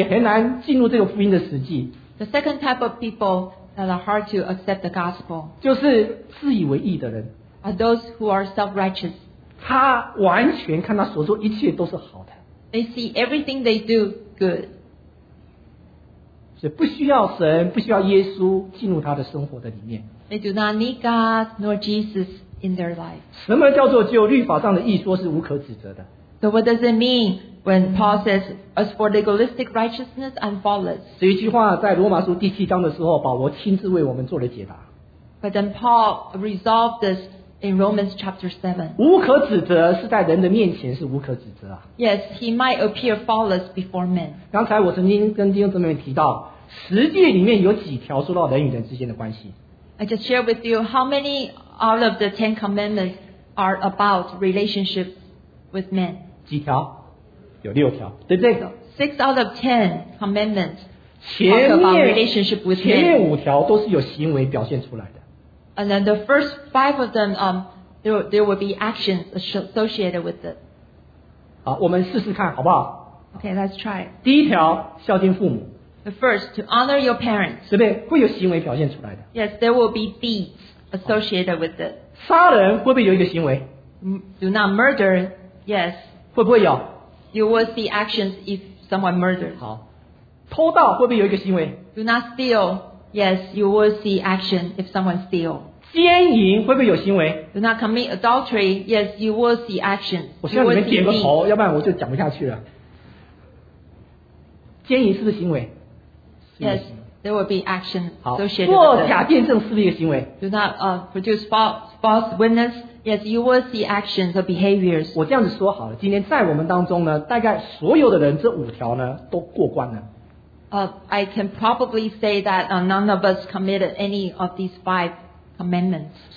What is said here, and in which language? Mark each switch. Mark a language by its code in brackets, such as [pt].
[zh] 那第二种情形的人也很难进入这个福音的实际。 [en] The second type of people that are hard to accept the gospel [zh] 就是自以为义的人。 [en] Are those who are self-righteous. [zh] 他完全看他所做一切都是好的。 [en] They see everything they do good. [zh] 所以不需要神，不需要耶稣进入他的生活的里面。 [en] They do not need God nor Jesus in their life. [zh] 什么叫做就律法上的义说是无可指责的？ [en] So what does it mean when Paul says, "As for legalistic righteousness, I'm faultless"? [zh] 这一句话在罗马书第七章的时候，保罗亲自为我们做了解答。 [en] But then Paul resolved this. In Romans chapter 7. [zh] 无可指责是在人的面前是无可指责啊。 [en] Yes, he might appear faultless before men. [zh] 刚才我曾经跟弟兄姊妹提到, 十诫里面有几条说到人与人之间的关系。 [en] I just shared with you how many out of the Ten Commandments are about relationships with men. [zh] 几条?有六条, 对不对? [en] So, six out of ten commandments [zh] 前面, [en] talk about relationship with men. [zh] 前面五条都是有行为表现出来的。 [en] And then the first five of them, there will be actions associated with it. [zh] 好，我们试试看，好不好？ [en] Okay, let's try. [zh] 第一条，孝敬父母。 [en] The first, to honor your parents. [zh] 对不对？会有行为表现出来的。 [en] Yes, there will be deeds associated with it. [zh] 杀人会不会有一个行为？ [en] Do not murder. Yes. [zh] 会不会有？ [en] You will see actions if someone murders. [zh] 好，偷盗会不会有一个行为？ [en] Do not steal. Yes, you will see action if someone steals. [zh] 奸淫会不会有行为? [en] Do not commit adultery. Yes, you will see action. [zh] 我向你们点个头，要不然我就讲不下去了。奸淫是不是行为? [en] Yes, there will be action associated [zh] 做假见证是不是一个行为? [en] Do not produce false witness. Yes, you will see actions or behaviors. [zh] 我这样子说好了，今天在我们当中呢，大概所有的人这五条呢，都过关了。 [en] I can probably say that none of us committed any of these five commandments.